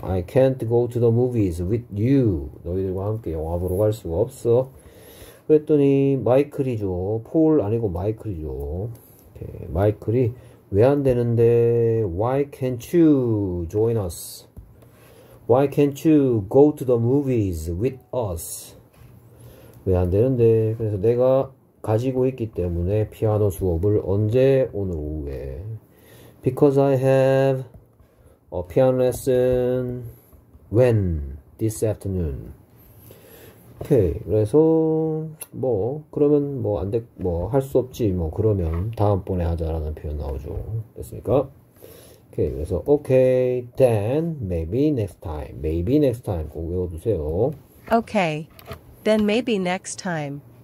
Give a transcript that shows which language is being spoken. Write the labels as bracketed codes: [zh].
[en] I can't go to the movies with you. [ko] 너희들과 함께 영화 보러 갈 수가 없어. 그랬더니 마이클이죠. 폴 아니고 마이클이죠. 오케이. 마이클이 왜안 되는데? [en] Why can't you join us? Why can't you go to the movies with us? [ko] 왜안 되는데? 그래서 내가 가지고 있기 때문에 피아노 수업을 언제? 오늘 오후에. [en] Because I have a piano lesson when this afternoon. [ko] 오케이, 그래서 뭐 그러면 뭐안 돼, 뭐할수 없지. 뭐 그러면 다음번에 하자라는 표현 나오죠. 됐습니까? 오케이, 그래서 오케이, [en] then maybe next time. maybe next time [ko] 꼭 외워두세요. [en] Okay, then maybe next time.